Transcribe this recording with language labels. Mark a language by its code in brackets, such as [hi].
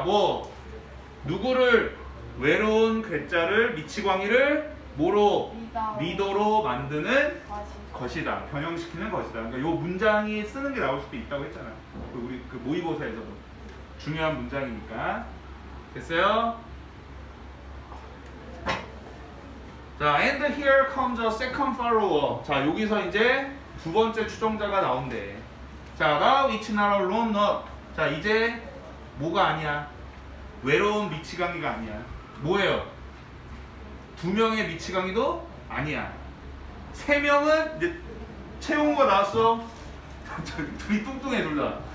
[ko] 뭐 누구를 외로운 괴짜를 미치광이를 뭐로 리더로 만드는 것이다. 변형시키는 것이다. 그러니까 이 문장이 쓰는 게 나올 수도 있다고 했잖아. 우리 그 모의고사에서도 중요한 문장이니까 됐어요. 자, [en] and here comes the second follower. [ko] 자, 여기서 이제 두 번째 추종자가 나온대. [en] 자, now it's not a lone nut. [ko] 자, 이제 뭐가 아니야? 외로운 미치광이가 아니야. 뭐예요? 두 명의 미치광이도 아니야. 세 명은 이제 채용호가 나왔어. 둘이 뚱뚱해, 둘 다.